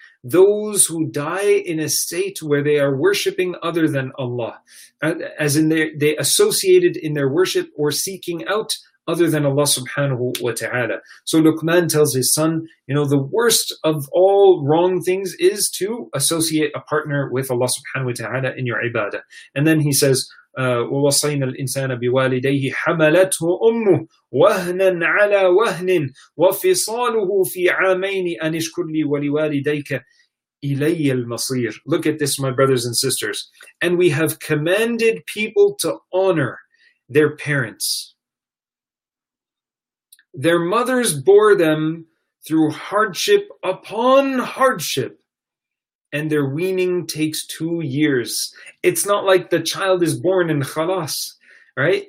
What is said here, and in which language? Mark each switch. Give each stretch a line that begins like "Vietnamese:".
English: Those who die in a state where they are worshipping other than Allah, as in they associated in their worship or seeking out other than Allah subhanahu wa ta'ala. So Luqman tells his son, you know, the worst of all wrong things is to associate a partner with Allah subhanahu wa ta'ala in your ibadah.
Arabic: And then he says, وَوَصَيْنَا الْإِنسَانَ بِوَالِدَيْهِ حَمَلَتْهُ أُمُّهُ وَهْنًا عَلَى وَهْنٍ وَفِصَالُهُ فِي عَامَيْنِ أَنِشْكُرْ لِي وَلِوَالِدَيْكَ إِلَيَّ الْمَصِيرُ.
English: Look at this, my brothers and sisters. And we have commanded people to honor their parents. Their mothers bore them through hardship upon hardship. And their weaning takes 2 years. It's not like the child is born and khalas, right?